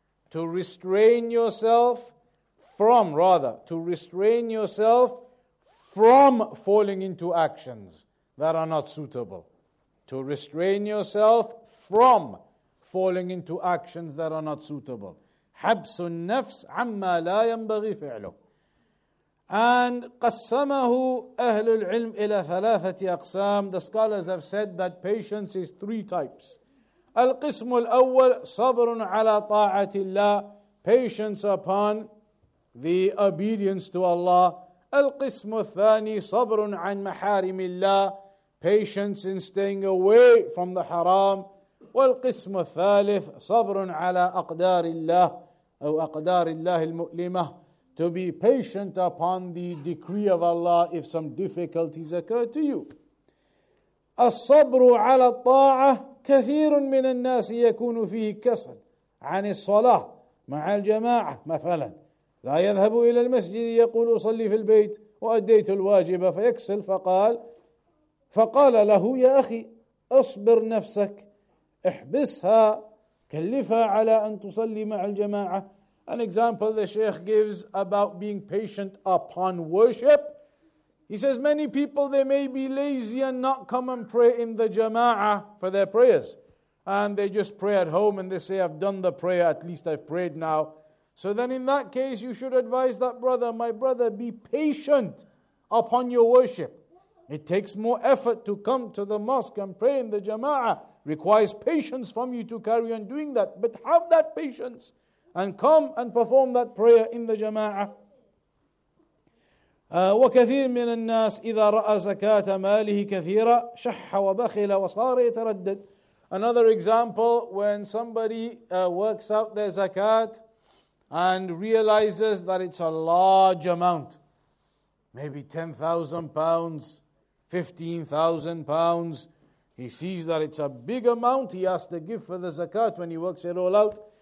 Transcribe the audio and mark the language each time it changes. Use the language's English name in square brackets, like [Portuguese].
[English] To restrain yourself from, rather, to restrain yourself from falling into actions that are not suitable. To restrain yourself from falling into actions that are not suitable. [Arabic] حبس النفس عما لا ينبغي فعله. [English] And [Arabic] قسمه أهل العلم إلى ثلاثة أقسام. The scholars have said that patience is three types. القسم الأول صبر على طاعة الله, [English] patience upon the obedience to Allah. [Arabic] القسم الثاني صبر عن محارم الله, [English] patience in staying away from the haram. [Arabic] والقسم الثالث صبر على أقدار الله أو أقدار الله المؤلمة, [English] to be patient upon the decree of Allah if some difficulties occur to you. [Arabic] الصبر على الطاعة كثير من الناس يكون فيه كسل عن الصلاة مع الجماعة مثلا لا يذهب إلى المسجد يقول صلي في البيت وأديت الواجب فيكسل فقال له يا أخي أصبر نفسك احبسها كلفها على أن تصلي مع الجماعة. [English] An example the Sheikh gives about being patient upon worship. He says many people, they may be lazy and not come and pray in the jama'ah for their prayers. And they just pray at home and they say, I've done the prayer, at least I've prayed now. So then in that case, you should advise that brother, my brother, be patient upon your worship. It takes more effort to come to the mosque and pray in the jama'ah. Requires patience from you to carry on doing that. But have that patience and come and perform that prayer in the jama'ah. [Arabic] وكثير من الناس إذا رأى زكاة ماله كثيرة شح وبخل وصار يتردد. [English] Another example, when somebody works out their zakat and realizes that it's a large amount, maybe 10,000 pounds, 15,000 pounds, he sees that it's a big amount, he has to give for the zakat when he works it all out.